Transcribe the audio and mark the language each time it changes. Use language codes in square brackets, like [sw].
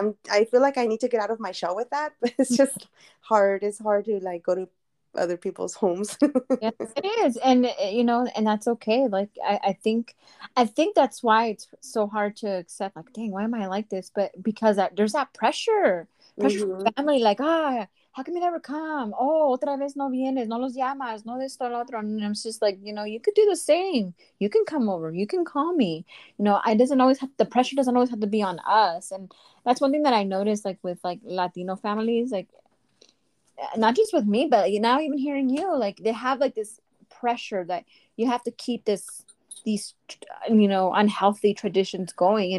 [en] I feel like I need to get out of my shell with that, but it's just hard. It's hard to, like, go to other people's homes. Yeah, it is. And you know, and that's okay. Like I think that's why it's so hard to accept, like, dang, why am I like this? But because there's that pressure from family, like, how come you never come? [es] Oh, otra vez no vienes, no los llamas, no esto, lo otro. [en] And I'm just like, you know, you could do the same. You can come over, you can call me. You know, I doesn't always have the pressure doesn't always have to be on us. And that's one thing that I noticed, like with like Latino families, like not just with me, but now even hearing you, like they have like this pressure that you have to keep these, you know, unhealthy traditions going.